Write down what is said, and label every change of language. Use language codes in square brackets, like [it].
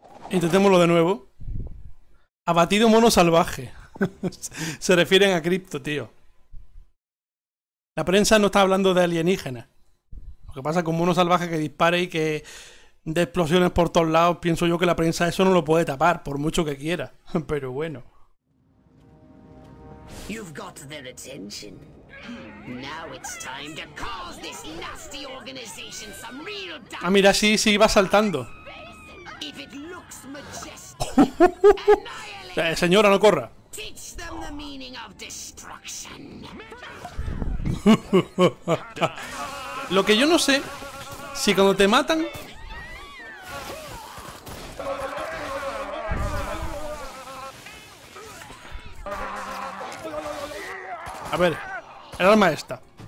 [es] Intentémoslo de nuevo. Abatido mono salvaje. Se refieren a Crypto, tío. La prensa no está hablando de alienígenas. Lo que pasa con mono salvaje que dispare y que dé explosiones por todos lados, pienso yo que la prensa eso no lo puede tapar, por mucho que quiera. Pero bueno. [en] You've got their attention. Now it's time to cause this nasty organization some real damage. [es] Ah, mira, sí, sí, iba saltando. [en] If it looks majestic, [es] señora, no corra. [en] Teach them the meaning of destruction. [es] Lo que yo no sé, si cuando te matan... A ver, el arma esta.